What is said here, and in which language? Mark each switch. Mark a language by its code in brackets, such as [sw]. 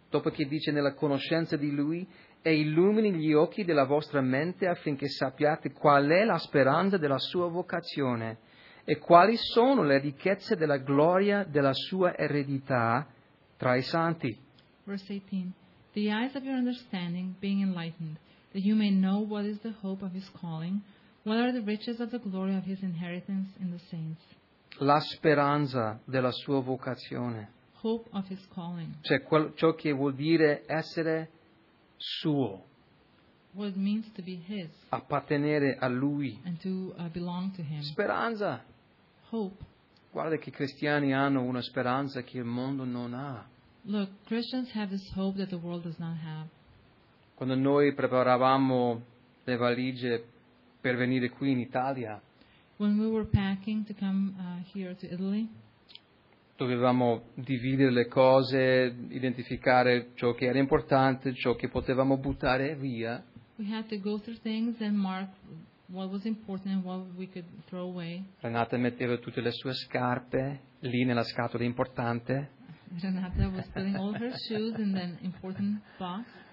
[it] Dopo che dice nella conoscenza di Lui, e illumini gli occhi della vostra mente affinché sappiate qual è la speranza della sua vocazione e quali sono le ricchezze della gloria della sua eredità tra i santi. [en] Verse 18. The eyes of your understanding being enlightened, that you may know what is the hope of his calling, what are the riches of the glory of his inheritance in the saints. [it] La speranza della sua vocazione. [en] Hope of his calling. [it] Cioè ciò che vuol dire essere suo. [en] What it means to be his. [it] Appartenere a lui. [en] And to belong to him. [it] Speranza. [en] Hope. [it] Guarda che cristiani hanno una speranza che il mondo non ha. [en] Look, Christians have this hope that the world does not have. [it] Quando noi preparavamo le valigie per venire qui in Italia, [en] when we were packing to come here to Italy, [it] dovevamo dividere le cose, identificare ciò che era importante, ciò che potevamo buttare via. [en] We had to go through things and mark what was important and what we could throw away. [it] Renata metteva tutte le sue scarpe lì nella scatola importante. [en] Renata was putting all her shoes in the important box.